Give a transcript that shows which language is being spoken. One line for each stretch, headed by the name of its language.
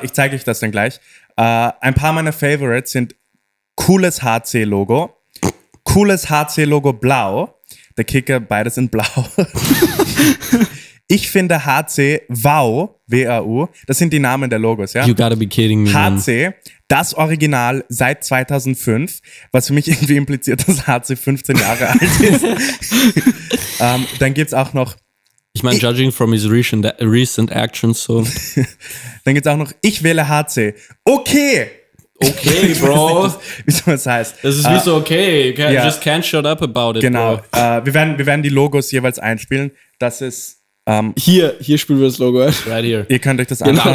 German: Ich zeige euch das dann gleich. Ein paar meiner Favorites sind cooles HC-Logo, cooles HC-Logo blau, der Kicker, beides in blau. Ich finde HC WAU, W-A-U, das sind die Namen der Logos, ja?
English: You gotta be kidding me, man.
German: HC, das Original seit 2005, was für mich irgendwie impliziert, dass HC 15 Jahre alt ist. dann gibt's auch noch... Ich meine,
English: judging from his recent actions, so...
German: dann gibt's auch noch, ich wähle HC. Okay! Okay, Bro. Wie soll das heißt. Das ist wie so, okay,
English: just can't shut up about it,
German: genau. Bro. Genau, wir werden die Logos jeweils einspielen, das ist... Hier spielen wir das Logo ein.
English: Right here.
German: Ihr könnt euch das anschauen.